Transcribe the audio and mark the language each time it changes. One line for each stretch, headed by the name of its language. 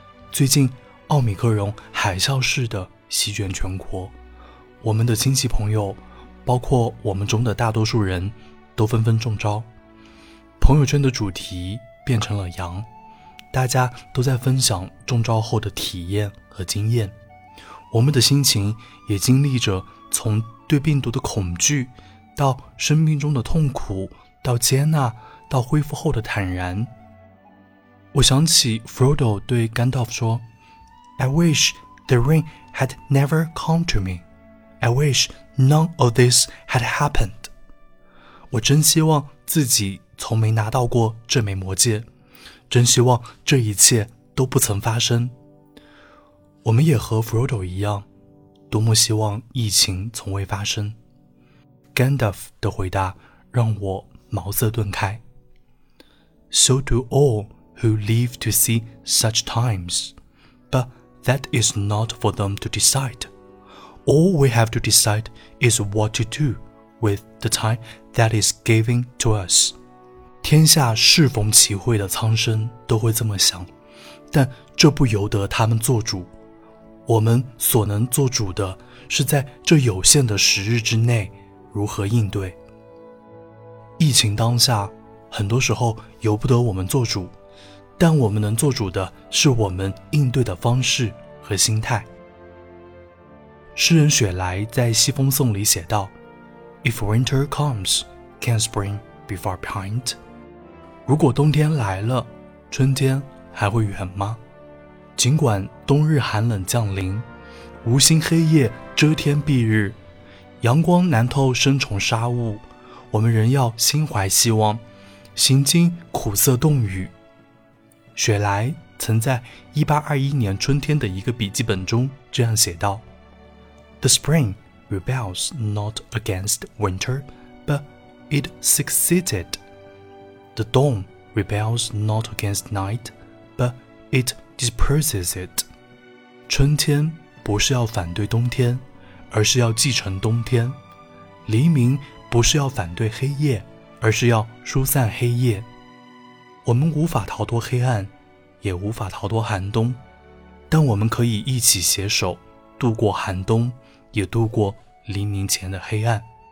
Chinese: 最近奥米克戎海啸式的席卷全国，我们的亲戚朋友包括我们中的大多数人都纷纷中招，朋友圈的主题变成了阳，大家都在分享中招后的体验和经验。我们的心情也经历着从对病毒的恐惧到生命中的痛苦，到接纳，到恢复后的坦然。我想起
English: Frodo 对 Gandalf 说， I wish the ring had never come to me. I wish none of this had happened.
Chinese: 我真希望自己从没拿到过这枚魔戒，真希望这一切都不曾发生。我们也和 Frodo 一样，多么希望疫情从未发生。 Gandalf 的回答让我茅塞顿开。
English: So do all who live to see such times, but that is not for them to decide. All we have to decide is what to do with the time that is given to us.
Chinese: 天下适逢其会的苍生都会这么想，但这不由得他们做主。我们所能做主的是在这有限的时日之内如何应对。疫情当下，很多时候由不得我们做主，但我们能做主的是我们应对的方式和心态。诗人雪莱在《西风颂》里写道，
English: If winter comes, can spring be far behind?
Chinese: 如果冬天来了，春天还会远吗？尽管冬日寒冷降临，无心黑夜遮天蔽日，阳光难透深重沙雾，我们仍要心怀希望，行经苦涩冻雨。雪莱曾在1821年春天的一个笔记本中这样写道，
English: The spring rebels not against winter, but it succeeded. The dawn rebels not against night, but it disperses it.
Chinese: 春天不是要反对冬天，而是要继承冬天。黎明不是要反对黑夜，而是要疏散黑夜。我们无法逃脱黑暗，也无法逃脱寒冬，但我们可以一起携手度过寒冬，也度过黎明前的黑暗。